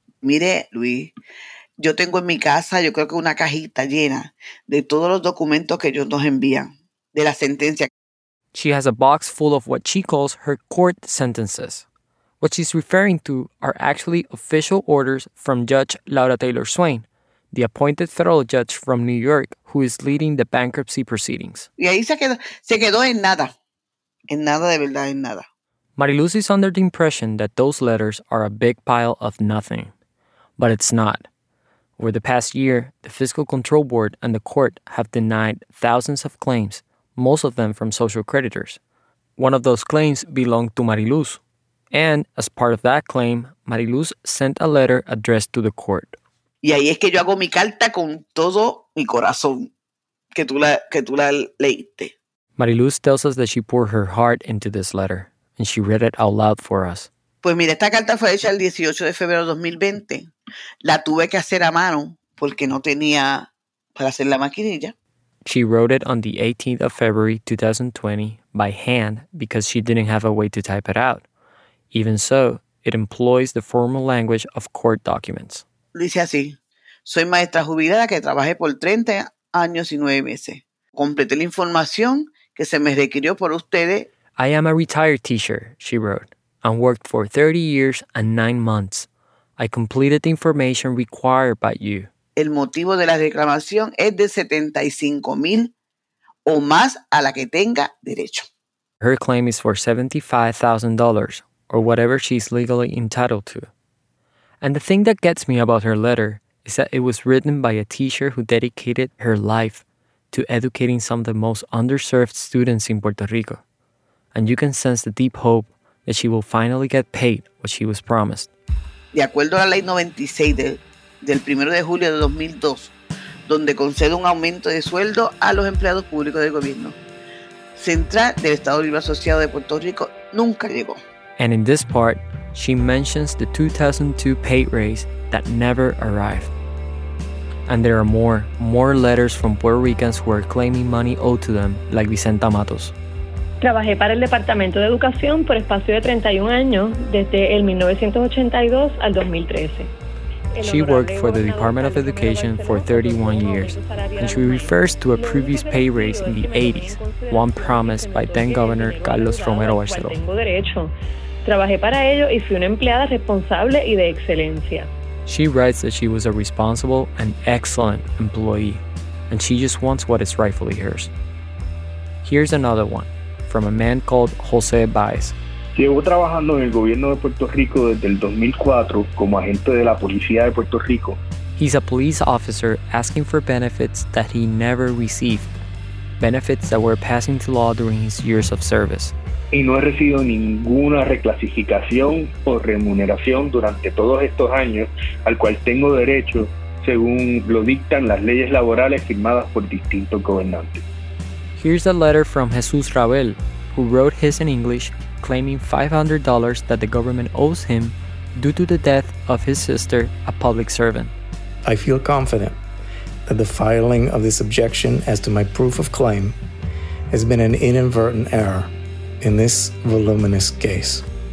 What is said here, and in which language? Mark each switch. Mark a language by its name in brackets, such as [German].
[Spanish] Mire, Luis, yo tengo en mi casa, yo creo que una cajita llena de todos los documentos que ellos nos envían, de la sentencia. [English] She has a box full of what she calls her court sentences. What she's referring to are actually official orders from Judge Laura Taylor Swain, the appointed federal judge from New York who is leading the bankruptcy proceedings. [Spanish] Y ahí se quedó en nada. En nada de verdad, en nada. [English] Mariluz is under the impression that those letters are a big pile of nothing. But it's not. Over the past year, the Fiscal Control Board and the court have denied thousands of claims, most of them from social creditors. One of those claims belonged to Mariluz. And as part of that claim, Mariluz sent a letter addressed to the court. [Spanish] Y ahí es que yo hago mi carta con todo mi corazón, que tú la leíste. [English] Mariluz tells us that she poured her heart into this letter, and she read it out loud for us. [Spanish] Pues mira, esta carta fue hecha el 18 de febrero de 2020. La tuve que hacer a mano porque no tenía para hacer la maquinilla. [English] She wrote it on the 18th of February 2020 by hand because she didn't have a way to type it out. Even so, it employs the formal language of court documents. [Spanish] Dice así, soy maestra jubilada que trabajé por 30 años y 9 meses. Completé la información que se me requirió por ustedes. [English] I am a retired teacher, she wrote, and worked for 30 years and 9 months. I completed the information required by you. [Spanish] El motivo de la reclamación es de 75,000 o más a la que tenga derecho. [English] Her claim is for $75,000 or whatever she's legally entitled to. And the thing that gets me about her letter is that it was written by a teacher who dedicated her life to educating some of the most underserved students in Puerto Rico. And you can sense the deep hope that she will finally get paid what she was promised. [Spanish] De acuerdo a la ley 96 del 1 de julio de 2002, donde concede un aumento de sueldo a los empleados públicos del gobierno, central del Estado Libre Asociado de Puerto Rico nunca llegó. [English] And in this part, she mentions the 2002 pay raise that never arrived. And there are more letters from Puerto Ricans who are claiming money owed to them, like Vicenta Matos. [Spanish] Trabajé para el Departamento de Educación por espacio de 31 años, desde el 1982 al 2013. [English] She worked for the Department of Education for 31 years, and she refers to a previous pay raise in the 80s, one promised by then-Governor Carlos Romero Barceló. [Spanish] Trabajé para ello y fui una empleada responsable y de excelencia. [English] She writes that she was a responsible and excellent employee, and she just wants what is rightfully hers. Here's another one. From a man called Jose Baez. [Spanish] Llevo trabajando en el gobierno de Puerto Rico desde el 2004 como agente de la policía de Puerto Rico. [English] He's a police officer asking for benefits that he never received, benefits that were passed into law during his years of service. [Spanish] Y no he recibido ninguna reclasificación o remuneración durante todos estos años al cual tengo derecho según lo dictan las leyes laborales firmadas por distintos gobernantes. [English] Here's a letter from Jesus Ravel, who wrote his in English, claiming $500 that the government owes him due to the death of his sister, a public servant. I feel confident that the filing of this objection as to my proof of claim has been an inadvertent error in this voluminous case.